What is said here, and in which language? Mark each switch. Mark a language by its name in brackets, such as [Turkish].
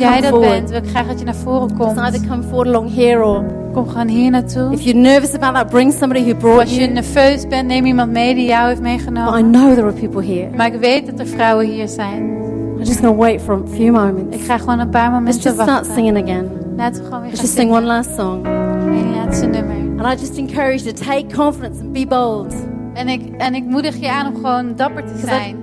[Dutch] En als jij dat bent, wil ik graag dat je naar voren komt. [English] Just either come forward along here or [Dutch] kom gewoon hier naartoe. [English] If you're nervous about that, bring somebody who brought you. [Dutch] Als je nerveus bent, neem iemand mee die jou heeft meegenomen. [English] But I know there are people here. [Dutch] Maar ik weet dat er vrouwen hier zijn. [English] I'm just gonna wait for a few moments. [Dutch] Ik ga gewoon een paar momenten wachten. [English] Let's just start singing again. [Dutch] Laten we gewoon weer [English] Let's just sing one last song. And I just encourage you to take confidence and be bold. [Dutch] En ik moedig je aan om gewoon dapper te zijn.